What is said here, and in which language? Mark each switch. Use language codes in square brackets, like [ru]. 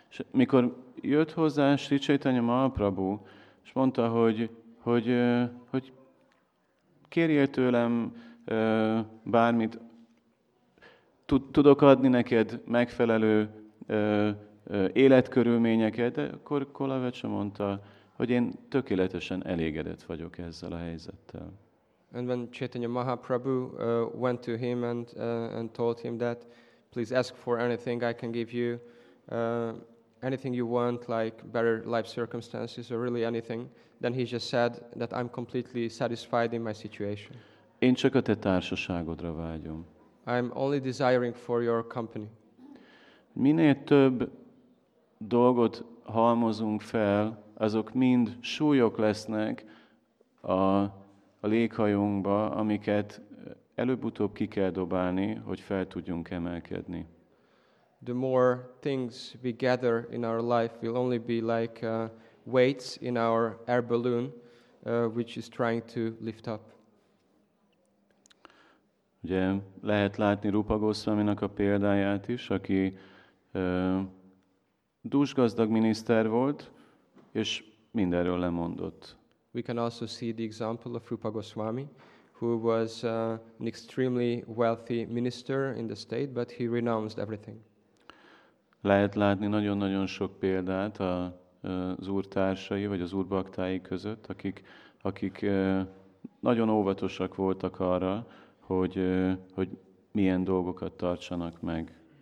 [hu] Mikor jött hozzá Sri Chaitanya Mahaprabhu, és mondta, hogy kérjél tőlem bármit, tudok adni neked megfelelő életkörülményeket, de akkor Kolavecsa mondta, hogy én tökéletesen elégedett vagyok ezzel a helyzettel. [en] And when Chaitanya Mahaprabhu went to him and told him that, please ask for anything, I can give you anything you want, like better life circumstances or really anything, then he just said that I'm completely satisfied in my situation. [hu] Én csak a te társaságodra vágyom. [en] I'm only desiring for your company. [hu] Minél több dolgot halmozunk fel, azok mind súlyok lesznek a léghajónkba, amiket előbb-utóbb ki kell dobálni, hogy fel tudjunk emelkedni. [en] the more things we gather in our life will only be like weights in our air balloon, which is trying to lift up. [hu] Ugye lehet látni Rupa Goszvaminak a példáját is, aki dúsgazdag miniszter volt, és mindenről lemondott. [en] We can also see the example of Rupa Goswami, who was an extremely wealthy minister in the state, but he renounced everything. [hu] Lehet látni nagyon-nagyon sok példát az úrtársai, vagy az úrbaktái között, akik nagyon óvatosak voltak arra, hogy milyen dolgokat tartsanak meg.